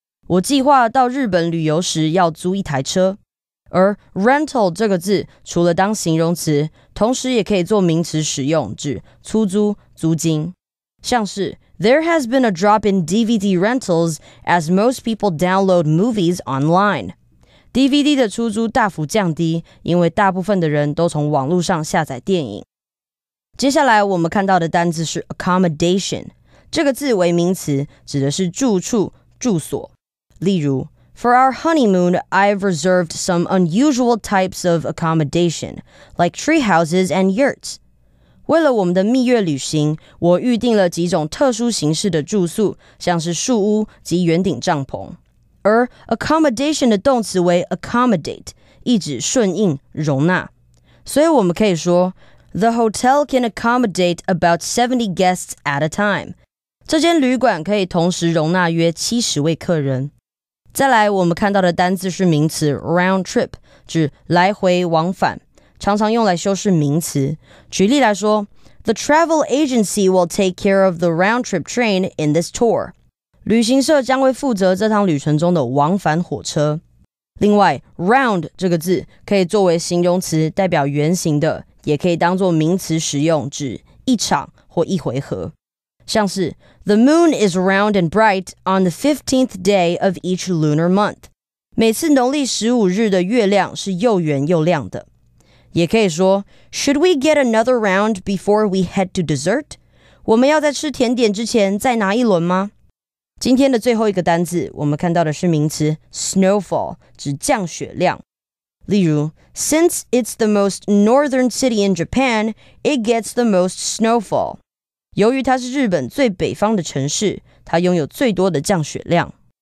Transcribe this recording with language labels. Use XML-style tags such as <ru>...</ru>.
<zh>我计划到日本旅游时要租一台车。而 rental 这个字除了当形容词，同时也可以做名词使用，指出租、租金。像是</zh> <en>There has been a drop in DVD rentals as most people download movies online.</en> <zh>DVD 的出租大幅降低，因为大部分的人都从网络上下载电影。接下来我们看到的单字是 accommodation， 这个字为名词，指的是住处、住所。例如</zh> <en>For our honeymoon, I've reserved some unusual types of accommodation, like tree houses and yurts.</en> <zh>为了我们的蜜月旅行，我预订了几种特殊形式的住宿，像是树屋及圆顶帐篷。而 accommodation 的动词为 accommodate， 意指顺应、容纳。所以我们可以说</zh> <en>，The hotel can accommodate about 70 guests at a time。</en> <zh>这间旅馆可以同时容纳约70位客人。再来，我们看到的单字是名词 round trip， 指来回往返。常常用来修饰名词。举例来说</zh> <en>，The travel agency will take care of the round trip train in this tour.</en> <zh>旅行社将会负责这趟旅程中的往返火车。另外 ，round 这个字可以作为形容词，代表圆形的，也可以当作名词使用，指一场或一回合。像是</zh> <en>，The moon is round and bright on the 15th day of each lunar month.</en> <zh>每次农历十五日的月亮是又圆又亮的。也可以说</zh> <en>,Should we get another round before we head to dessert?</en> <zh>我们要在吃甜点之前再拿一轮吗？今天的最后一个单字我们看到的是名词 snowfall, 指降雪量。例如</zh> <en>,Since it's the most northern city in Japan, it gets the most snowfall.</en> <zh>由于它是日本最北方的城市，它拥有最多的降雪量。</zh>